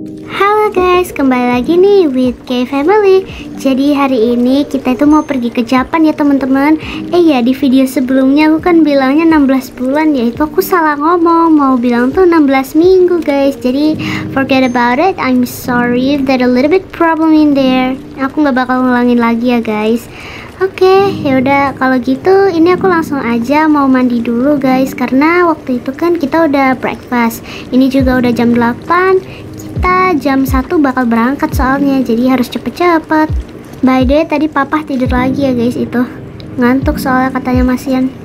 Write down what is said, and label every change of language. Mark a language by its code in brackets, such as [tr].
[id] Halo guys, kembali lagi nih with K Family. Jadi hari ini kita itu mau pergi ke Japan ya teman-teman. Iya, di video sebelumnya aku kan bilangnya 16 bulan ya, itu aku salah ngomong, mau bilang tuh 16 minggu guys. Jadi [en] forget about it, I'm sorry if there a little bit problem in there. [id] Aku gak bakal ngulangin lagi ya guys. Oke, yaudah kalau gitu ini aku langsung aja mau mandi dulu guys, karena waktu itu kan kita udah breakfast. Ini juga udah jam 8, kita jam 1 bakal berangkat soalnya, jadi harus cepet-cepet. [en] By the way, [id] tadi papa tidur lagi ya guys, itu ngantuk soalnya katanya masian.